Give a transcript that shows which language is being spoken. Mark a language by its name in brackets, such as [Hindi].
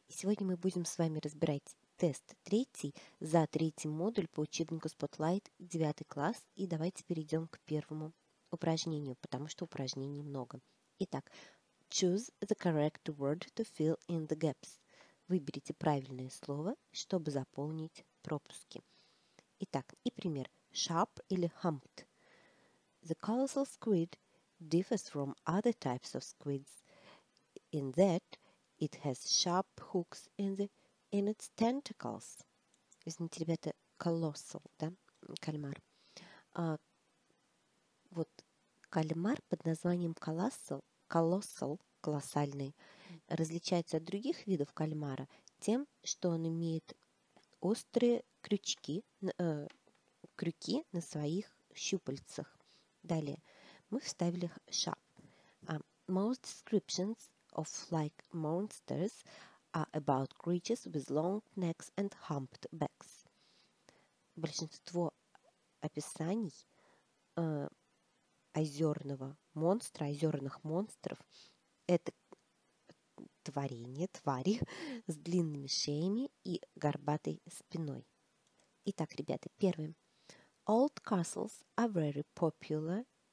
[Russian] Сегодня мы будем с вами разбирать тест 3 за 3 модуль по учебнику Spotlight 9 класс. И давайте перейдем к первому упражнению, потому что упражнений много. [English] Итак, choose the correct word to fill in the gaps. [Russian] Выберите правильное слово, чтобы заполнить пропуски. Итак, и пример. Sharp или humped. [English] The colossal squid differs from other types of squids in that it has sharp hooks in its tentacles. [Russian] Извините, ребята, colossal, да, кальмар. Вот кальмар под названием colossal, колоссальный, различается от других видов кальмара тем, что он имеет острые крюки на своих щупальцах. Далее, мы вставили sharp. [English] Most descriptions of like monsters are about creatures with long necks and humped backs. [Russian] Большинство описаний озерных монстров это твари с длинными шеями и горбатой спиной. Итак, ребята, первое. [English] Old castles are very popular.